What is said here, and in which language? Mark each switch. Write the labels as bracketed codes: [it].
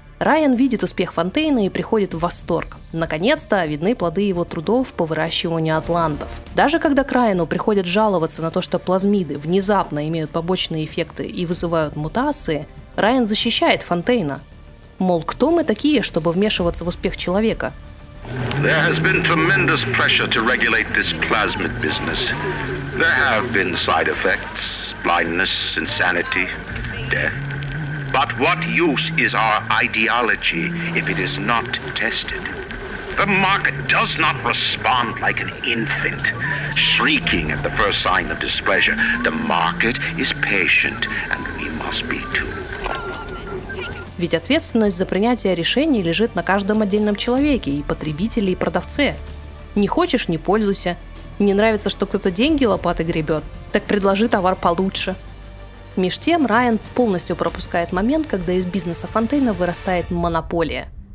[ru] Райан видит успех Фонтейна и приходит в восторг. Наконец-то видны плоды его трудов по выращиванию атлантов. Даже когда к Райану приходят жаловаться на то, что плазмиды внезапно имеют побочные эффекты и вызывают мутации, Райан защищает Фонтейна. Мол, кто мы такие, чтобы вмешиваться в успех человека? [en] There has been tremendous pressure to regulate this plasmid business. There have been side effects, blindness, insanity, death. But what use is our ideology if it is not tested? The market does not respond like an infant, shrieking at the first sign of displeasure. The market is patient, and we must be too. [ru] Ведь ответственность за принятие решений лежит на каждом отдельном человеке, и потребителе, и продавце. Не хочешь – не пользуйся. Не нравится, что кто-то деньги лопатой гребет, так предложи товар получше. Меж тем, Райан полностью пропускает момент, когда из бизнеса Фонтейна вырастает монополия.